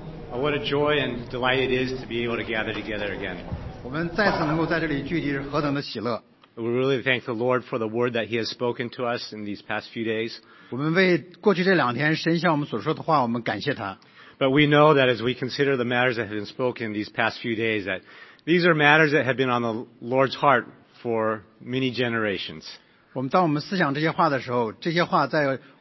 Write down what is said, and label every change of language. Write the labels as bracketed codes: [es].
[en] What a joy and delight it is to be able to gather together again. [zh] 我们再次能够在这里聚集是何等的喜乐。 [en] We really thank the Lord for the word that He has spoken to us in these past few days. [zh] 我们为过去这两天神向我们所说的话，我们感谢他。 [en] But we know that as we consider the matters that have been spoken these past few days, that these are matters that have been on the Lord's heart for many generations. [zh] 我们当我们思想这些话的时候，这些话在